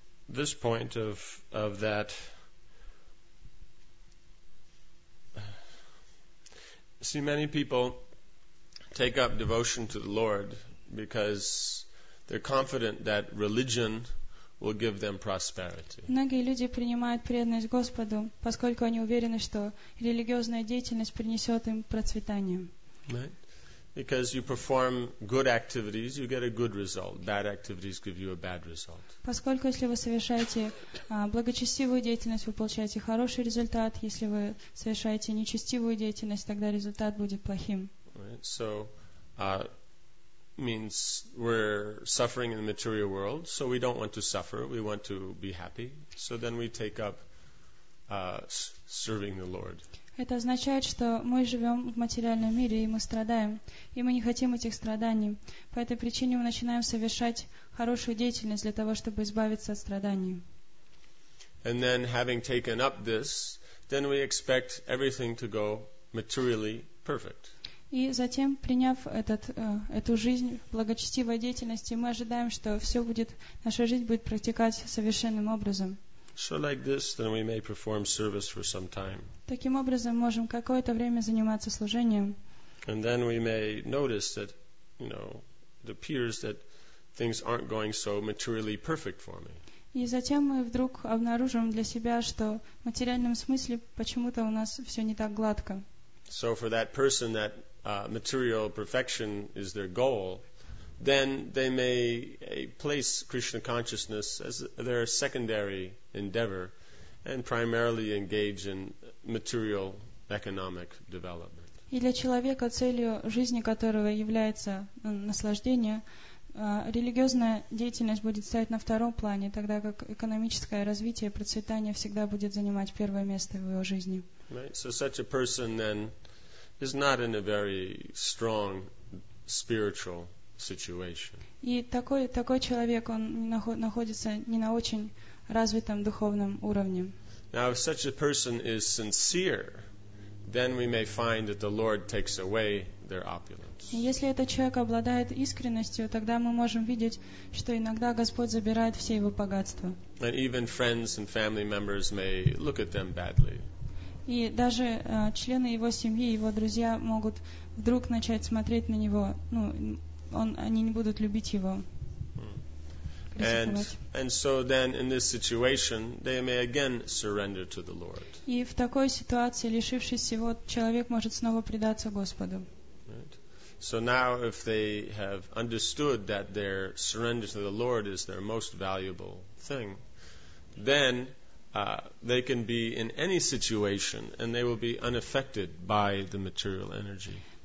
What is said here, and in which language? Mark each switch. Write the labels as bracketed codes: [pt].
[en] This point of that see, many people take up devotion to the Lord because they're confident that religion will give them prosperity. [ru] Многие люди принимают преданность Господу, поскольку они уверены, что религиозная деятельность принесет им процветание. [en] Right? Because you perform good activities, you get a good result. Bad activities give you a bad result. [ru] Поскольку если вы совершаете благочестивую деятельность, вы получаете хороший результат. Если вы совершаете нечестивую деятельность, тогда результат будет плохим. [en] Right. So, means we're suffering in the material world, so we don't want to suffer. We want to be happy. So then we take up serving the Lord. [ru] Это означает, что мы живем в материальном мире, и мы страдаем, и мы не хотим этих страданий. По этой причине мы начинаем совершать хорошую деятельность для того, чтобы избавиться от страданий. [en] And then, having taken up this, then we expect everything to go materially perfect. [ru] И затем, приняв эту жизнь благочестивой деятельности, мы ожидаем, что все будет, наша жизнь будет протекать совершенным образом. [en] So like this, then we may perform service for some time. [ru] Таким образом, можем какое-то время заниматься служением. [en] And then we may notice that, it appears that things aren't going so materially perfect for me. [ru] И затем мы вдруг обнаружим для себя, что в материальном смысле почему-то у нас все не так гладко. [en] So for that person that material perfection is their goal, then they may place Krishna consciousness as their secondary endeavor and primarily engage in material economic development. [ru] И для человека целью жизни которого является наслаждение, религиозная деятельность будет стоять на втором плане, тогда как экономическое развитие, процветание всегда будет занимать первое место в его жизни. [en] Right. So such a person then is not in a very strong spiritual situation. [ru] И такой человек, он находится не на очень развитом духовном уровне. [en] Now, if such a person is sincere, then we may find that the Lord takes away their opulence. [ru] Если этот человек обладает искренностью, тогда мы можем видеть, что иногда Господь забирает все его богатства. [en] And even friends and family members may look at them badly. [ru] И даже члены его семьи, его друзья могут вдруг начать смотреть на него, они не будут любить его. [en] And so then in this situation they may again surrender to the Lord. [ru] И в такой ситуации, лишившись всего, человек может снова предаться Господу. [en] So now if they have understood that their surrender to the Lord is their most valuable thing, then they can be in any situation and they will be unaffected by the material energy.